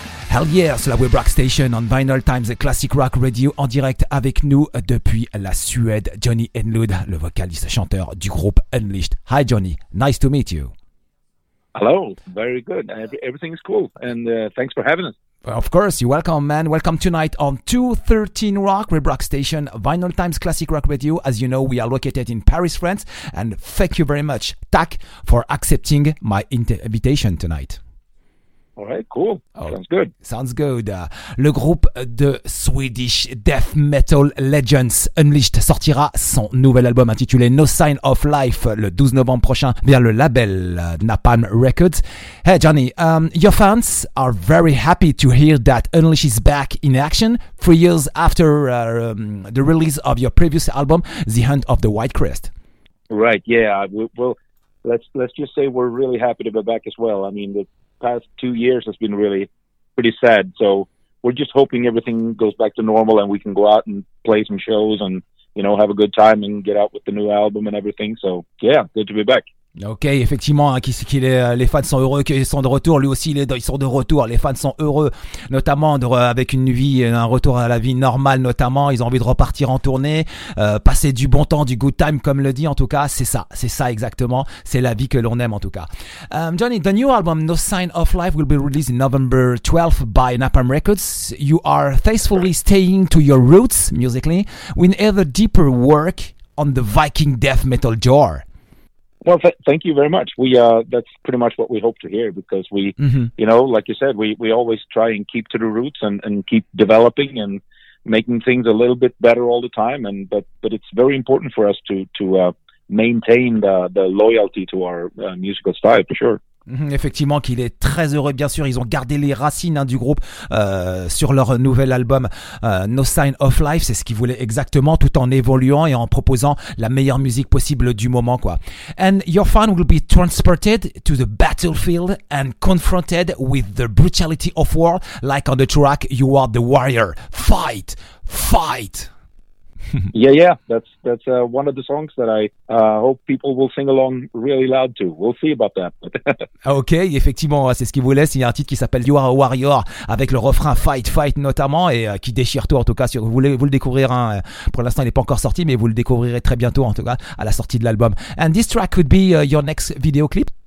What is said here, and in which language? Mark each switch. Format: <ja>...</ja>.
<en>Hell yeah,</en> <fr>sur la Web Rock Station on Vinyl Times et Classic Rock Radio en direct avec nous depuis la Suède, Johnny Enlund, le vocaliste chanteur du groupe Unleashed.</fr> <en>Hi Johnny, nice to meet you. Hello, very good. Everything is cool and thanks for having us. Of course, you're welcome, man. Welcome tonight on 213 Rock, Web Rock Station, Vinyl Times Classic Rock Radio. As you know, we are located in Paris, France, and thank you very much, TAC, for accepting my invitation tonight. All right, cool. Sounds good.</en> <fr>Le groupe de</fr> <en>Swedish Death Metal Legends</en> <fr>Unleashed sortira son nouvel album intitulé No Sign of Life le 12 novembre prochain via le label Napalm Records.</fr> <en>Hey Johnny, your fans are very happy to hear that Unleashed is back in action 3 years after the release of your previous album, The Hunt of the White Crest. Right, yeah. Let's just say we're really happy to be back as well. I mean, the past 2 years has been really pretty sad, so we're just hoping everything goes back to normal and we can go out and play some shows and, you know, have a good time and get out with the new album and everything. So yeah, good to be back.</en> <fr>Ok, effectivement, hein, les fans sont heureux qu'ils sont de retour. Lui aussi, ils sont de retour. Les fans sont heureux, notamment avec une vie, un retour à la vie normale, notamment. Ils ont envie de repartir en tournée, passer du bon temps, du</fr> <en>good time,</en> <fr>comme le dit, en tout cas. C'est ça exactement. C'est la vie que l'on aime, en tout cas.</fr> <en>Johnny, the new album, No Sign of Life, will be released in November 12th by Napalm Records. You are faithfully staying to your roots, musically, with ever deeper work on the Viking death metal genre. Well, thank you very much. That's pretty much what we hope to hear, because we, you know, like you said, we always try and keep to the roots and keep developing and making things a little bit better all the time. But it's very important for us to maintain the loyalty to our musical style, for sure.</en> <fr>Effectivement, qu'il est très heureux, bien sûr. Ils ont gardé les racines du groupe sur leur nouvel album No Sign of Life. C'est ce qu'ils voulaient exactement, tout en évoluant et en proposant la meilleure musique possible du moment, quoi.</fr> <en>And your fan will be transported to the battlefield and confronted with the brutality of war, like on the track You Are the Warrior. Fight, fight. Yeah, yeah, that's one of the songs that I hope people will sing along really loud to. We'll see about that.</en> <fr>Ok, effectivement, c'est ce qu'ils voulaient. Il y a un titre qui s'appelle You Are a Warrior avec le refrain</fr> <en>Fight, Fight</en> <fr>notamment, et qui déchire tout, en tout cas. Si vous le découvrirez, hein, pour l'instant il n'est pas encore sorti, mais vous le découvrirez très bientôt, en tout cas, à la sortie de l'album.</fr> <en>And this track could be your next video clip?</en>